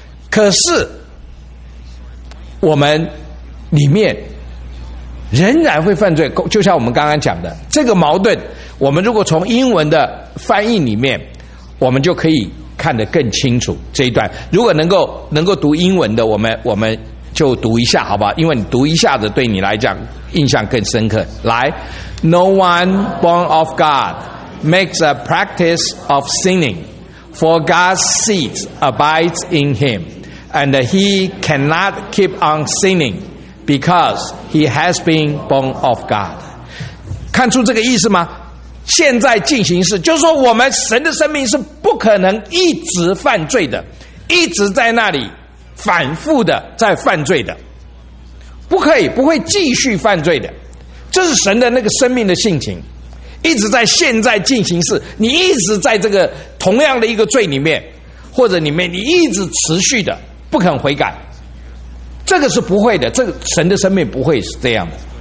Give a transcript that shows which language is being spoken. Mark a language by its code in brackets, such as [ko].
[zh] 可是我们里面仍然会犯罪，就像我们刚刚讲的这个矛盾，我们如果从英文的翻译里面，我们就可以看得更清楚这一段。如果能够读英文的，我们就读一下好不好？因为你读一下子对你来讲印象更深刻。来， [en] No one born of God makes a practice of sinning, for God's seed abides in him, and he cannot keep on sinning. Because he has been born of God. [zh] 看出这个意思吗？现在进行式，就是说我们神的生命是不可能一直犯罪的，一直在那里反复的在犯罪的，不可以，不会继续犯罪的。这是神的那个生命的性情，一直在现在进行式，你一直在这个同样的一个罪里面，或者里面你一直持续的不肯悔改，这个是不会的，这个神的生命不会是这样的。